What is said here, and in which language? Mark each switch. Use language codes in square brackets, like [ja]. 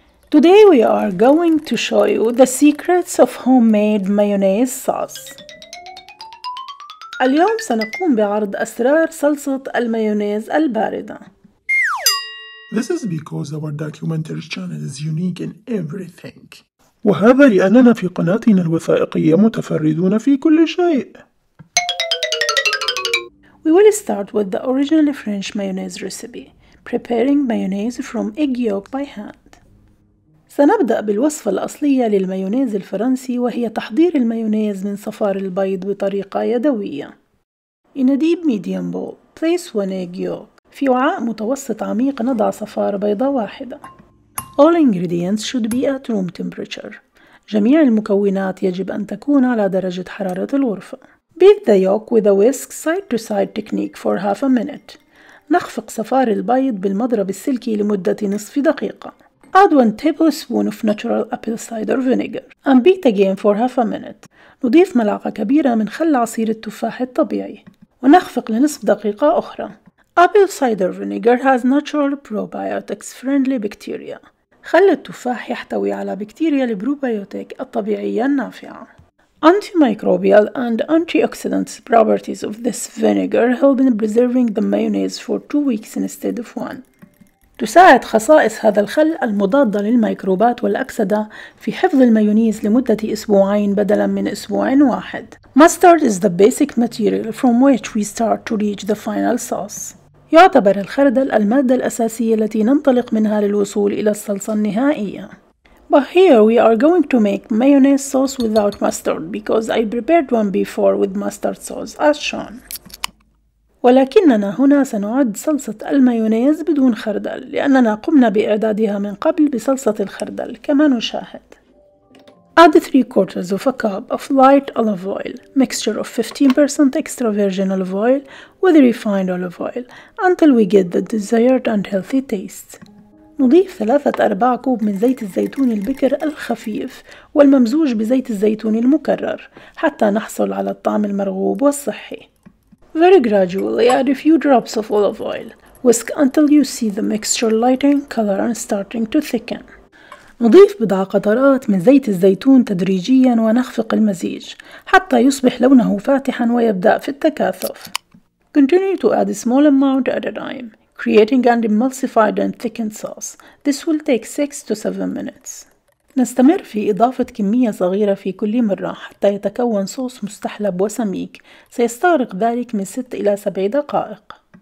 [en] Today we are going to show you the secrets of homemade mayonnaise sauce. [ar] اليوم سنقوم بعرض أسرار صلصة المايونيز الباردة. [en] This is because our documentary channel is unique in everything. [ar] وهذا لأننا في قناتنا الوثائقية متفردون في كل شيء. [en] We will start with the original French mayonnaise recipe, preparing mayonnaise from egg yolk by hand. [ar] سنبدأ بالوصفة الأصلية للمايونيز الفرنسي وهي تحضير المايونيز من صفار البيض بطريقة يدوية. [en] In a deep medium bowl, place one egg yolk. [ar] في وعاء متوسط عميق نضع صفار بيضة واحدة. [en] All ingredients should be at room temperature. [ar] جميع المكونات يجب أن تكون على درجة حرارة الغرفة. [en] Beat the yolk with a whisk side to side technique for half a minute. [ar] نخفق صفار البيض بالمضرب السلكي لمدة نصف دقيقة. [en] Add 1 tablespoon of natural apple cider vinegar and beat again for half a minute. [ar] نضيف ملعقة كبيرة من خل عصير التفاح الطبيعي ونخفق لنصف دقيقة أخرى. [en] Apple cider vinegar has natural probiotics friendly bacteria. [ar] خل التفاح يحتوي على بكتيريا البروبيوتيك الطبيعية النافعة. [en] Antimicrobial and antioxidant properties of this vinegar help in preserving the mayonnaise for 2 weeks instead of 1. [ar] تساعد خصائص هذا الخل المضادة للميكروبات والأكسدة في حفظ المايونيز لمدة أسبوعين بدلاً من أسبوع واحد. [en] Mustard is the basic material from which we start to reach the final sauce. [ar] يعتبر الخردل المادة الأساسية التي ننطلق منها للوصول إلى الصلصة النهائية. [en] But here we are going to make mayonnaise sauce without mustard because I prepared one before with mustard sauce as shown. [ar] ولكننا هنا سنعد صلصة المايونيز بدون خردل لأننا قمنا بإعدادها من قبل بصلصة الخردل كما نشاهد. [en] Add 3 quarters of a cup of light olive oil, mixture of 15% extra virgin olive oil with refined olive oil until we get the desired and healthy taste. [ar] نضيف 3/4 كوب من زيت الزيتون البكر الخفيف والممزوج بزيت الزيتون المكرر حتى نحصل على الطعم المرغوب والصحي. [en] Very gradually add a few drops of olive oil. Whisk until you see the mixture lighting color and starting to thicken. [ar] نضيف بضع قطرات من زيت الزيتون تدريجيا ونخفق المزيج حتى يصبح لونه فاتحا ويبدأ في التكاثف. [en] Continue to add a small amount at a time, creating an emulsified and thickened sauce. This will take 6 to 7 minutes. [ar] نستمر في إضافة كمية صغيرة في كل مرة حتى يتكون صوص مستحلب وسميك. سيستغرق ذلك من 6 إلى 7 دقائق.